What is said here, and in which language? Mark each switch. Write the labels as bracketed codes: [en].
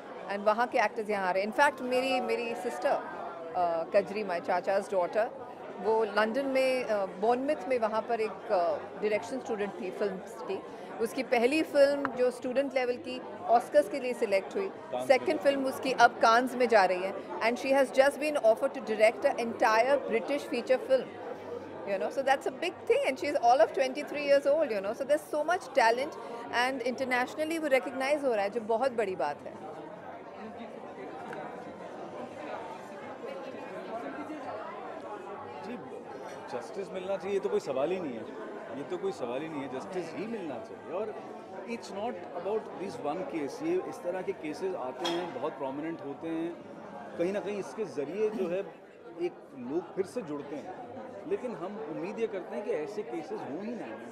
[hi] And वहाँ के actors यहाँ आ रहे हैं इनफैक्ट मेरी सिस्टर कजरी [en] my chacha's daughter [hi] वो लंदन में बोर्नमिथ में वहाँ पर एक डायरेक्शन स्टूडेंट थी फिल्म की उसकी पहली फिल्म जो स्टूडेंट लेवल की ऑस्कर्स के लिए सिलेक्ट हुई सेकंड फिल्म उसकी अब कांस में जा रही है [en] and she has just been offered to direct a entire British feature film you know, so that's a big thing, and she's all of 23 years old, you know, so there's so much talent, and internationally we recognize [hi] ho raha hai jo bahut badi baat hai. Justice मिलना चाहिए ये तो कोई सवाल ही नहीं है, ये तो कोई सवाल ही नहीं है, जस्टिस ही मिलना चाहिए. और [en] it's not about this one case, [hi] ये इस तरह के केसेस आते हैं, बहुत प्रोमिनेंट होते हैं, कहीं ना कहीं इसके ज़रिए जो है एक लोग फिर से जुड़ते हैं, लेकिन हम उम्मीद ये करते हैं कि ऐसे केसेस हों ही ना.